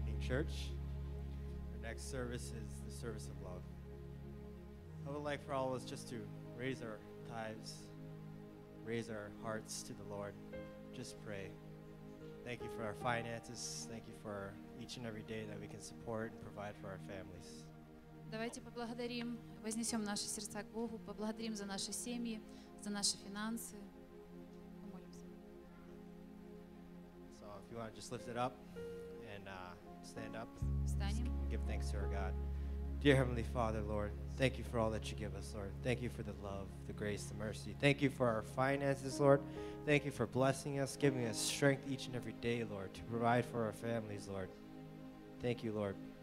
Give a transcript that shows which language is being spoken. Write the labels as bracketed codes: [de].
[en] Church, our next service is the service of love. I would like for all of us just to raise our tithes, raise our hearts to the Lord, just pray. Thank you for our finances, thank you for each and every day that we can support and provide for our families. [ru] Давайте поблагодарим, вознесем наши сердца к Богу, поблагодарим за наши семьи, за наши финансы. Помолимся. [en] Soft. you want to just lift it up and stand up. [ru] Встанем. [en] Give thanks to our God. Dear Heavenly Father, Lord, thank you for all that you give us, Lord. Thank you for the love, the grace, the mercy. Thank you for our finances, Lord. Thank you for blessing us, giving us strength each and every day, Lord, to provide for our families, Lord. Thank you, Lord.